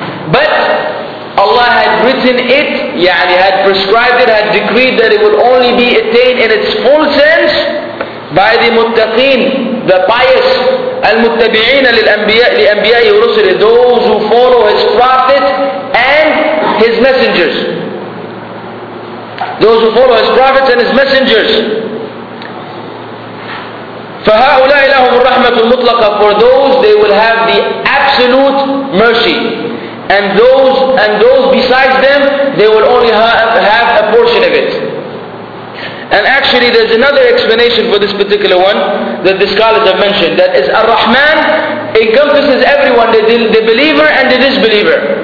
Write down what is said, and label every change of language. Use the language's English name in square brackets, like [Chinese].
[English] But Allah had written it, yani had prescribed it, had decreed that it would only be attained in its full sense by the muttaqeen, the pious, [Arabic] al-muttabi'een lil-anbiya'i rusuli, [English] those who follow His Prophet and His messengers. Those who follow His prophets and His messengers. [Arabic] فهؤلاء لهم الرحمة المطلقة. [English] For those, they will have the absolute mercy. And those besides them, they will only have a portion of it. And actually, there's another explanation for this particular one that the scholars have mentioned. That is, Ar-Rahman encompasses everyone, the believer and the disbeliever.